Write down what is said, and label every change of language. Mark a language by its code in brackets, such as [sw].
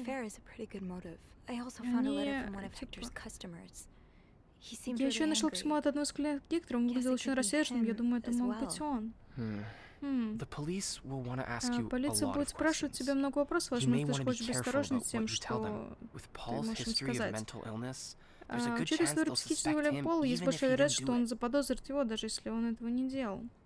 [en] Their affair is a pretty good motive. I also found a letter from one of Hector's customers. He seemed really angry. [ru] Я еще нашел письмо от одного из клиентов Гектора. Он выглядел очень рассерженным. Я думаю, это мог быть он. [en] The police will want to ask you a lot. [ru] Полиция будет спрашивать тебя много вопросов. Возможно, ты хочешь быть осторожным с тем, что ты можешь им сказать. Через историю психического ли Пола есть большая вероятность, что он заподозрит его, даже если он этого не делал.